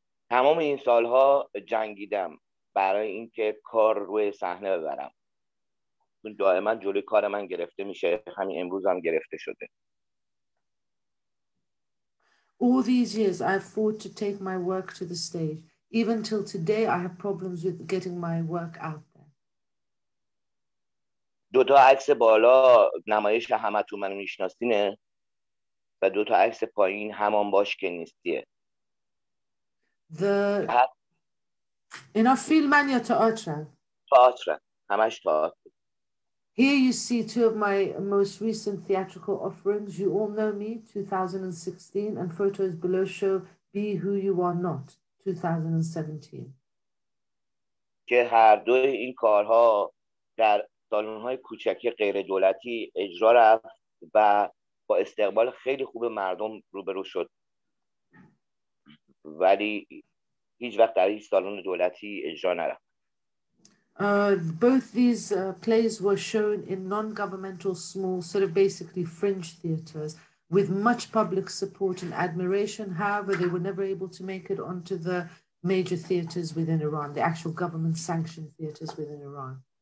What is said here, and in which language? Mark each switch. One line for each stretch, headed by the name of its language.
Persian: تمام این سالها جنگیدم برای اینکه کار روی صحنه ببرم. چون دائما جلوی کار من گرفته میشه همین امروز هم گرفته شده.
English: All these years I fought to take my work to the stage. Even till today I have problems with getting my work out there.
Persian: دو تا عکس بالا نمایش همتون منو میشناسینه و دو تا عکس پایین همان باش که نیستیه. اینا فیلمن یا تئاترن؟ تئاترن. همش تئاتر.
English: Here you see two of my most recent theatrical offerings. You all know me, 2016, and photos below show Be Who You Are Not, 2017.
Persian: که هر دو این کارها در سالن‌های کوچکی غیر دولتی اجرا رفت و با استقبال خیلی خوب مردم روبرو شد. ولی هیچ وقت در این سالن دولتی اجرا نرفت.
English: Both these plays were shown in non-governmental small, sort of basically fringe theatres with much public support and admiration. However, they were never able to make it onto the major theatres within Iran, the actual government-sanctioned theatres within Iran.